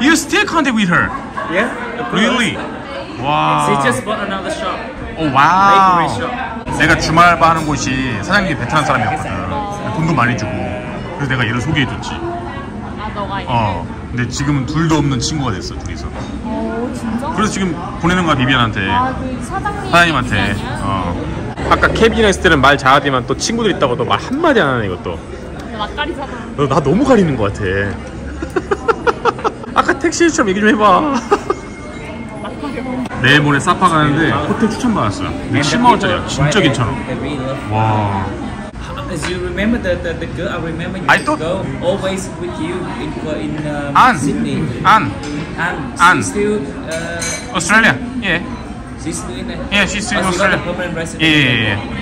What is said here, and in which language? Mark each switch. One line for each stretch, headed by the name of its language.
English: You still contact with her? Yeah. Really? Wow. She just bought another shop. Oh, wow. Shop.
Korean: 내가 주말 알바 하는 곳이 사장님이 베트남 사람이었거든. 돈도 많이 주고. 그래서 내가 얘를 소개해줬지. 아, 너가 이제. 근데 지금은 둘도 없는 친구가 됐어, 둘이서. 진짜? 그래서 지금 보내는 거야, 비비안한테. 아, 그 사장님한테. 비비안이야? 아까 케빈이랑 했을 때는 말 잘하지만 또 친구들 있다고 말 한마디 안 하네, 이것도. 막가리잖아. 너 나 너무 가리는 거 같아. 아까 택시처럼 얘기 좀 해봐. 내일 모레 사파 가는데 호텔 추천받았어요. 10만원짜리야. 진짜 괜찮아. 와.
English: As you remember the girl, I remember you to go always with you in Sydney. Anne. She's still Australia. Yeah. She's still in there. Yeah, she's still in Australia. She's got a permanent residence. Yeah.